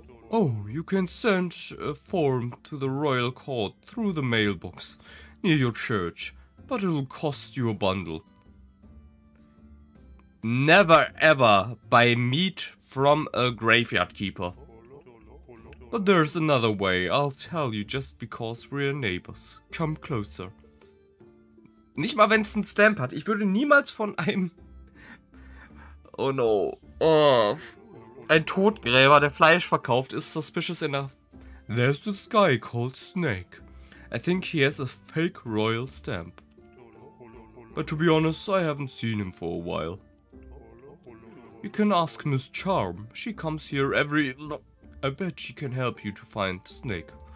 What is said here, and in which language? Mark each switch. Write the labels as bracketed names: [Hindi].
[English] Oh, you can send a form to the royal court through the mailbox near your church, but it'll cost you a bundle. Never ever buy meat from a graveyard keeper. But there's another way, I'll tell you just because we're neighbors. Come closer. [German] Nicht mal wenn's einen Stamp hat, ich würde niemals von einem... [English] Oh no. Oh. [German] Ein Totgräber, der Fleisch verkauft, ist [English] suspicious enough. There's this guy called Snake. I think he has a fake royal stamp. But to be honest, I haven't seen him for a while. You can ask Miss Charm. She comes here every... I bet she can help you to find the snake.